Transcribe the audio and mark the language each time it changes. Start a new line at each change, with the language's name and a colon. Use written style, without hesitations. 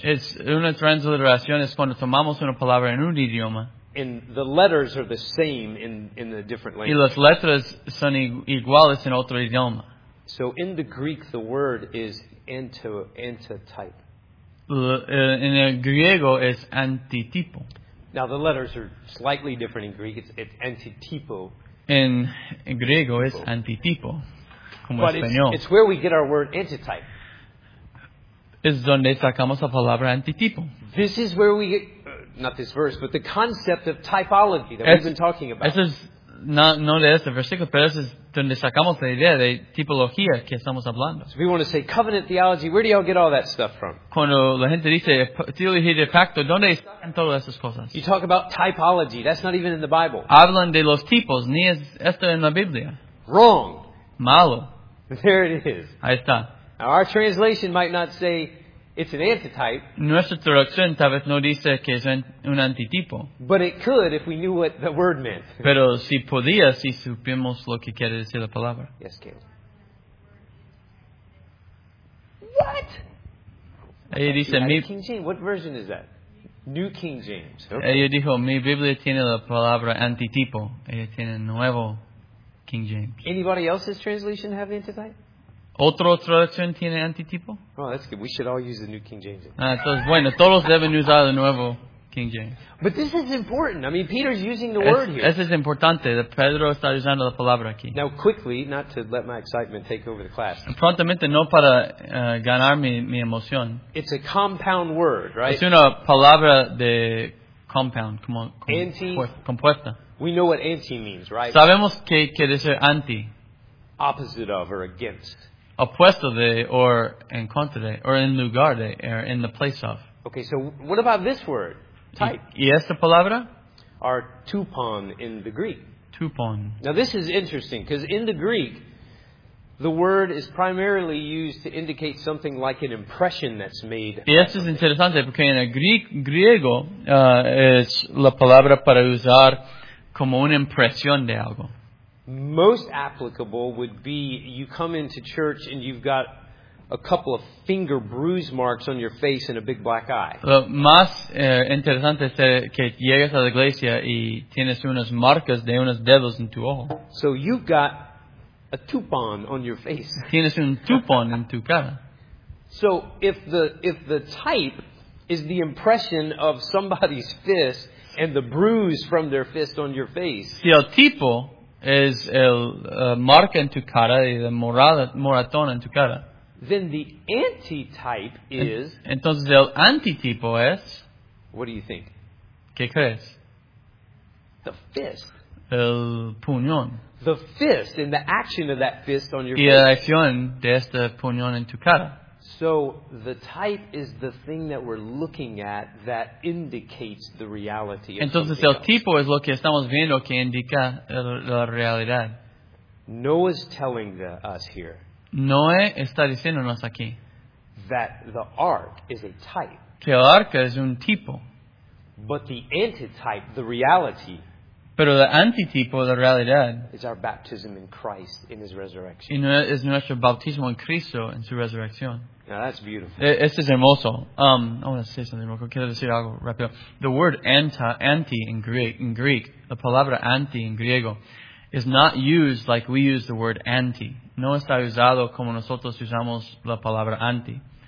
Spanish: Es una transliteración es cuando tomamos una palabra en un idioma.
English: And the letters are the same in the different language.
Spanish: Y las letras son iguales en otro idioma.
English: So in the Greek, the word is antitype.
Spanish: En el griego es antitipo.
English: Now the letters are slightly different in Greek. It's antitipo.
Spanish: In griego es antitipo, como
English: but
Spanish: español.
English: It's where we get our word antitype.
Spanish: Es donde sacamos la palabra antitipo.
English: This is where we get, not this verse, but the concept of typology that we've been talking about.
Spanish: Eso es, no de este versículo, pero eso es donde sacamos la idea de tipología que estamos hablando.
English: So if we want to say covenant theology, where do y'all get all that stuff from?
Spanish: Cuando la gente dice teología de pacto, ¿dónde están todas esas cosas?
English: You talk about typology. That's not even in the Bible.
Spanish: Hablan de los tipos. Ni es esto en la Biblia.
English: Wrong.
Spanish: Malo.
English: There it is.
Spanish: Ahí está.
English: Now our translation might not say it's an antitype.
Spanish: Nuestra traducción tal vez no dice que es un antitipo.
English: But it could if we knew what the word meant.
Spanish: Pero si podía, si supimos lo que quiere decir la palabra.
English: Yes, Caleb. What?
Spanish: Ella dice, mi...
English: King James. What version is that? New King James. Okay.
Spanish: Ella dijo, mi Biblia tiene la palabra antitipo. Ella tiene nuevo King James.
English: Anybody else's translation have antitype?
Spanish: ¿Otra traducción tiene antitipo?
English: Oh, that's good. We should all use the New King James.
Spanish: Entonces, bueno, todos deben usar el nuevo King James.
English: But this is important. I mean, Peter's using the word here.
Spanish: Eso es importante. Pedro está usando la palabra aquí.
English: Now, quickly, not to let my excitement take over the class.
Spanish: Prontamente, no para ganar mi emoción.
English: It's a compound word, right?
Spanish: Es una palabra de compound, como anti, compuesta.
English: We know what anti means, right?
Spanish: Sabemos que quiere decir anti.
English: Opposite of or against.
Spanish: Opuesto de, or en contra de, or en lugar de,
English: or in the place of. Okay, so what about this word? Type.
Spanish: Y esta palabra?
English: Or tupon in the Greek. Tupon. Now this is interesting, because in the Greek, the word is primarily used to indicate something like an impression that's made.
Spanish: Y esto es interesante, porque en el griego es la palabra para usar como una impresión de algo.
English: Most applicable would be you come into church and you've got a couple of finger bruise marks on your face and a big black eye.
Spanish: Lo más interesante es que llegas a la iglesia y tienes unas marcas de unos dedos en tu ojo.
English: So you've got a tupon on your face.
Spanish: Tienes un tupon en tu cara.
English: So if the type is the impression of somebody's fist and the bruise from their fist on your face.
Spanish: Si el tipo es el marca en tu cara y el moratón en tu cara.
English: Then the anti-type is.
Spanish: Entonces el antitipo es.
English: What do you think?
Spanish: ¿Qué crees?
English: The fist.
Spanish: El puñón.
English: The fist and the action of that fist on your face.
Spanish: Y la acción de este puñón en tu cara.
English: So the type is the thing that we're looking at that indicates the reality.
Spanish: Entonces el tipo es lo que estamos viendo que indica la realidad.
English: Noah's telling us here.
Spanish: Noé está diciéndonos aquí.
English: That the ark is a type.
Spanish: Que el arca es un tipo.
English: But the antitype, the reality.
Spanish: Pero el antitipo, la realidad.
English: Is our baptism in Christ in His resurrection.
Spanish: Y no es nuestro bautismo en Cristo en su resurrección.
English: Now that's beautiful.
Spanish: Este es hermoso.
English: I want to say something real quick.
Spanish: Quiero decir algo rápido.
English: The word anti in Greek, the palabra anti in griego, is not used like we use the word anti.
Spanish: No está usado como nosotros usamos la palabra anti.